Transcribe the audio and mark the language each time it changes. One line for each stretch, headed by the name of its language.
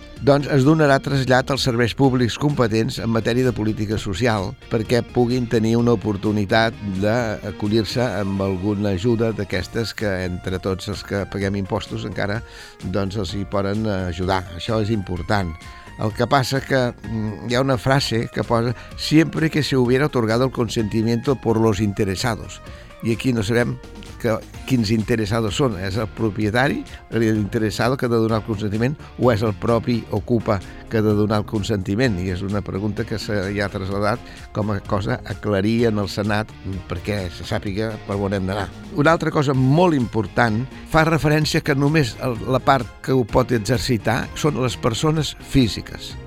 Catalan: doncs es donarà trasllat als serveis públics competents en matèria de política social perquè puguin tenir una oportunitat d'acollir-se amb alguna ajuda d'aquestes que entre tots els que paguem impostos encara doncs els hi poden ajudar. Això és important. El que passa que hi ha una frase que posa sempre que
Spanish: se hubiera otorgado el consentimiento por los interesados.
Catalan: I aquí no sabem quins interessados són. És el propietari, l'interessat que ha de donar el consentiment, o és el propi ocupa que ha de donar el consentiment? I és una pregunta que s'hi ha traslladat com a cosa a aclarir en el Senat perquè se sàpiga per on hem d'anar. Una altra cosa molt important fa referència que només la part que ho pot exercitar són les persones físiques.